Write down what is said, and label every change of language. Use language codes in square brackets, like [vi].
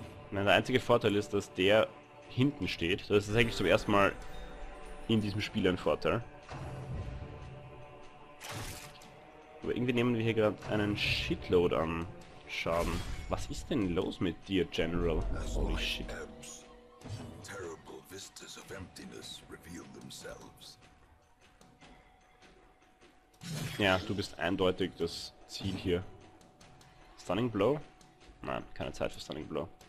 [de] Nein, der einzige Vorteil ist, dass der hinten steht. Das ist eigentlich zum ersten Mal in diesem Spiel ein Vorteil. Aber irgendwie nehmen wir hier gerade einen Shitload an Schaden. Was ist denn los mit dir, General? [en] Holy shit. Terrible vistas of emptiness reveal themselves. [de] Ja, du bist eindeutig das Ziel hier. Stunning Blow? Nein, keine Zeit für Stunning Blow.